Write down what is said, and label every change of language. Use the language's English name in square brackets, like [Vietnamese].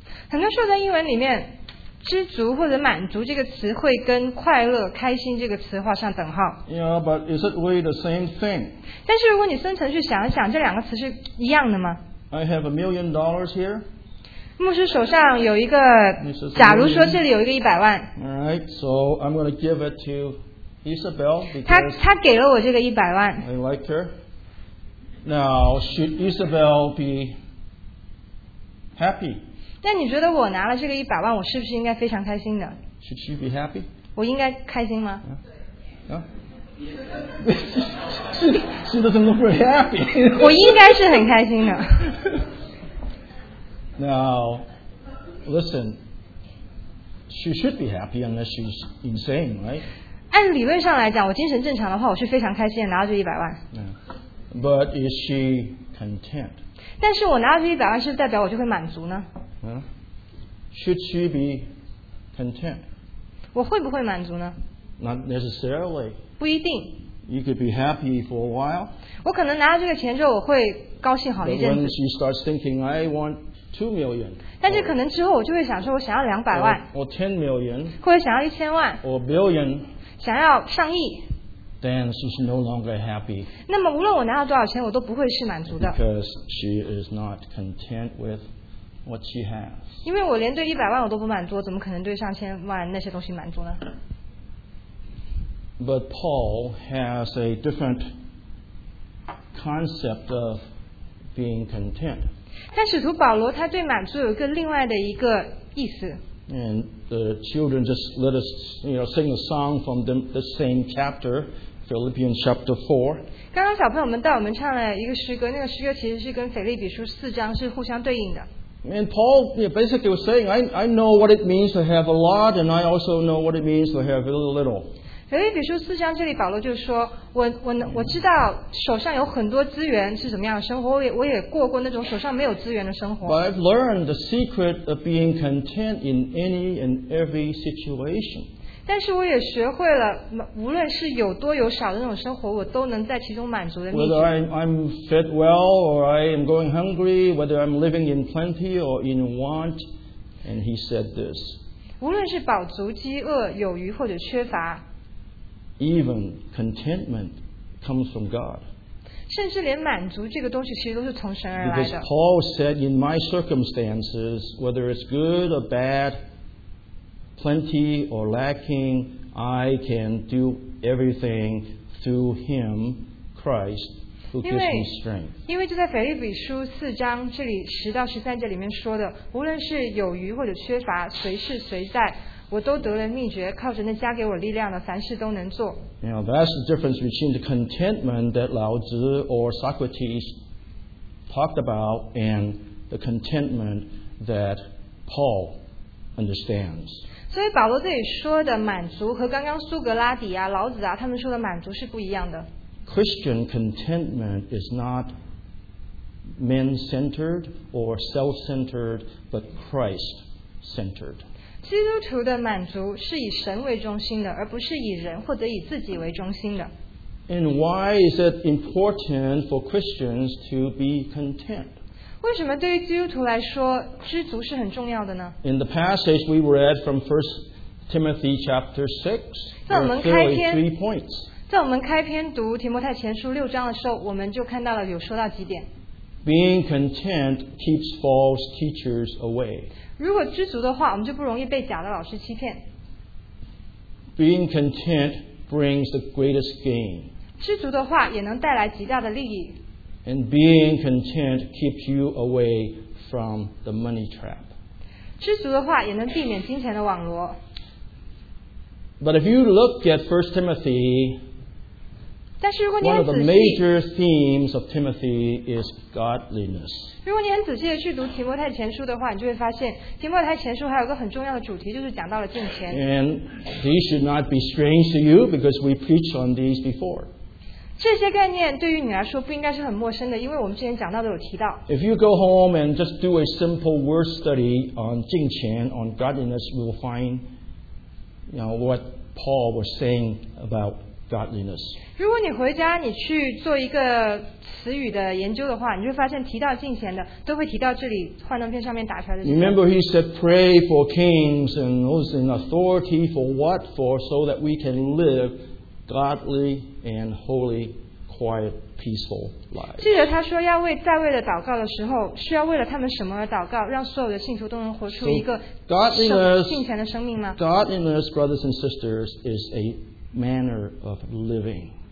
[Chinese] 很多时候在英文里面，知足或者满足这个词会跟快乐、开心这个词画上等号。 [English] Yeah, but is it really the same thing? [Chinese] 但是如果你深层去想一想，这两个词是一样的吗？ [English] I have $1,000,000 here. [Chinese] 牧师手上有一个，假如说这里有一个100万。 [English] All right, so I'm going to give it to Isabel because [Chinese] 他给了我这个100万。 [English] I like her. Now should Isabel be happy? [Chinese] 但你觉得我拿了这个100万，我是不是应该非常开心的 [English] ？Should she be happy? [Chinese] 我应该开心吗？ [English] 啊、she doesn't look very happy. [Chinese] 我应该是很开心的。 [English] Now, listen, she should be happy unless she's insane, right? [Chinese] 按理论上来讲，我精神正常的话，我是非常开心的拿到这一百万。 [English] But is she content? [Chinese] 但是我拿到这一百万，是代表我就会满足呢？ [English] Should she be content? [Chinese] 我会不会满足呢？ [English] Not necessarily. [Chinese] 不一定。 [English] You could be happy for a while. [Chinese] 我可能拿到这个钱之后，我会高兴好一阵子。 [English] But when she starts thinking, I want $2 million, [Chinese] 但是可能之后我就会想说，我想要200万 [English] ，or $10 million, [Chinese] 或者想要1000万 [English] ，or $1 billion, [Chinese] 想要上亿。 [English] Then she's no longer happy. [Chinese] 那么无论我拿到多少钱，我都不会是满足的。 [English] Because she is not content with what she has. [Chinese] 因为我连对100万我都不满足，怎么可能对上千万那些东西满足呢 [English] ？But Paul has a different concept of being content. [Chinese] 但使徒保罗他对满足有一个另外的一个意思。 [English] And the children just let us, you know, sing a song from the same chapter, Philippians chapter 4. [Chinese] 刚刚小朋友们带我们唱了一个诗歌，那个诗歌其实是跟腓立比书四章是互相对应的。 [English] And Paul basically was saying, I know what it means to have a lot, and I also know what it means to have a little. [Chinese] 腓立比书四章这里保罗就说 我知道手上有很多资源是怎么样的生活，我也过过那种手上没有资源的生活。 [English] But I've learned the secret of being content in any and every situation. [Chinese] 但是我也学会了无论是有多有少的那种生活，我都能在其中满足的秘诀。 [English] Whether I'm fed well or I am going hungry, whether I'm living in plenty or in want, and he said this. [Chinese] 无论是饱足、饥饿、有余或者缺乏， [English] Even contentment comes from God. [Chinese] 甚至连满足这个东西其实都是从神而来的。 [English] Because Paul said, in my circumstances, whether it's good or bad, plenty or lacking, I can do everything through Him, Christ, who gives me strength. [Chinese] 因为就在腓立比书四章这里十到十三节里面说的，无论是有余或者缺乏，随时随在。我都得了秘诀，靠着那加给我力量的，凡事都能做。 [English] Now, that's the difference between the contentment that Lao Tzu or Socrates talked about and the contentment that Paul understands. [Chinese] 所以保罗这里说的满足和刚刚苏格拉底啊、老子啊他们说的满足是不一样的。 [English] Christian contentment is not man-centered or self-centered, but Christ-centered. [Chinese] 基督徒的满足是以神为中心的，而不是以人或者以自己为中心的。 [English] And why is it important for Christians to be content? [Chinese] 为什么对于基督徒来说，知足是很重要的呢？ [English] In the passage we read from 1 Timothy chapter 6, there are three points. [Chinese] 在我们开篇读提摩太前书六章的时候，我们就看到了有说到几点。 [English] Being content keeps false teachers away. [Chinese] 如果知足的话，我们就不容易被假的老师欺骗。 [English] Being content brings the greatest gain. [Chinese] 知足的话也能带来极大的利益。 [English] And being content keeps you away from the money trap. [Chinese] 知足的话也能避免金钱的网罗。 [English] But if you look at 1 Timothy, [Chinese] 但是如果你很仔细, [English] one of the major themes of Timothy is godliness. [Chinese] 如果你很仔细地去读提摩太前书的话，你就会发现提摩太前书还有一个很重要的主题，就是讲到了金钱。 [English] And these should not be strange to you because we preached on these before. [Chinese] 这些概念对于你来说不应该是很陌生的，因为我们之前讲到的有提到。 [English] If you go home and just do a simple word study on 金钱, on godliness, you will find. You know, what Paul was saying about godliness. [Chinese] 如果你回家，你去做一个词语的研究的话，你就发现提到金钱的都会提到这里幻灯片上面打出来的。 [English] Remember, he said, "Pray for kings and those in authority for what? For so that we can live godly and holy, quiet, peaceful lives." [Chinese] 记得他说要为在位的祷告的时候，是要为了他们什么而祷告，让所有的信徒都能活出一个。 [English] Godliness, brothers and sisters, is a manner of living.